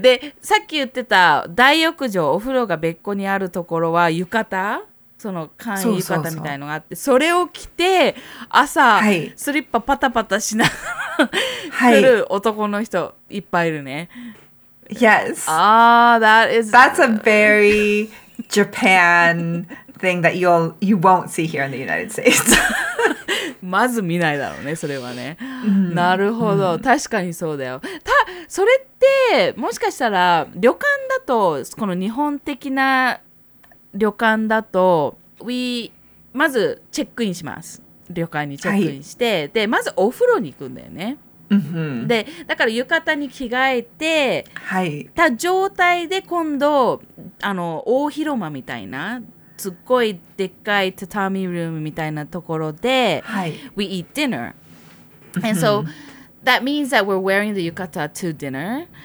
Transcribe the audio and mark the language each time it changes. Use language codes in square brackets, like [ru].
[ja] で、さっき言ってた大浴場、お風呂が別個にあるところは浴衣、その簡易浴衣みたいのがあって、 それを着て朝、はい、スリッパパタパタしながら来る男の人いっぱいいるね。 [en] Yes. Ah, that is... That's a very Japan thing that you won't see here in the United States. [ja] まず見ないだろうね、それはね。なるほど、確かにそうだよ。それってもしかしたら旅館だと、この日本的な旅館だと、まずチェックインします。旅館にチェックインして、はい、で、まずお風呂に行くんだよね。で、だから浴衣に着替えて、はい、た状態で今度、あの、大広間みたいな、すっごいでっかいタタミルームみたいなところで、はい、 [en] we eat dinner. And so, that means that we're wearing the 浴衣 to dinner.